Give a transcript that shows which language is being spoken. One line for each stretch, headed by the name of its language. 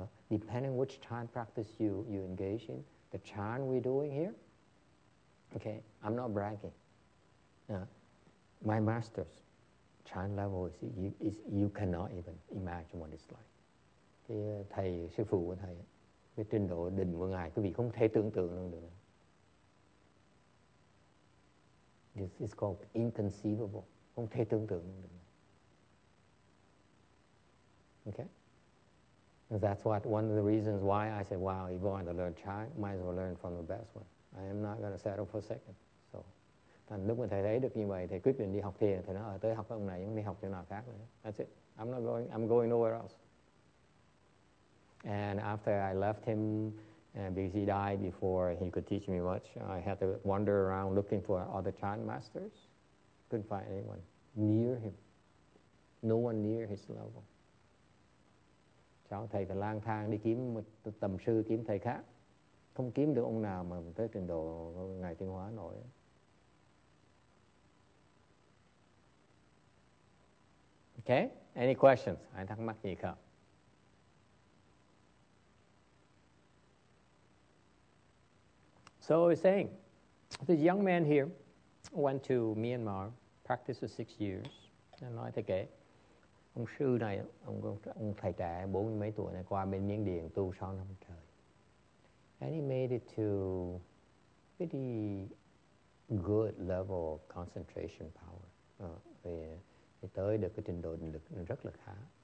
English: Depending which Chan practice you engage in, the Chan we're doing here, okay, I'm not bragging. My masters, Chan level is you cannot even imagine what it's like.
Vietnamese: Cái thầy sư phụ của thầy, cái trình độ đỉnh của ngài, quý vị không thể tưởng tượng luôn được.
English: This is called inconceivable.
Vietnamese: Không thể tưởng tượng luôn được.
English: Okay. And that's what one of the reasons why I said, wow, if I want to learn Chan, might as well learn from the best one. I am not going to settle for second.
Vietnamese: Thành lúc mà thầy thấy được như vậy, thầy quyết định đi học thiền. Thầy nói, tới học ông này, không đi học chỗ nào khác nữa.
English: That's it. I'm going nowhere else. And after I left him, because he died before he could teach me much, I had to wander around looking for other Chan masters. Couldn't find anyone near him. No one near his level.
Vietnamese: Cháu thầy thì lang thang đi kiếm tầm sư, kiếm thầy khác. Không kiếm được ông nào mà tới trình độ ngày tiến hóa nổi.
English: Okay, any questions?
Vietnamese: Ai thắc mắc gì không?
English: So he's saying, this young man here went to Myanmar, practiced for 6 years, and I think
Vietnamese: ông sư này, ông thầy trẻ 40 mấy tuổi này qua bên Miến Điện tu 6 năm trời.
English: And he made it to pretty good level of concentration power.
Vietnamese: Thì tới được cái trình độ định lực rất là khá.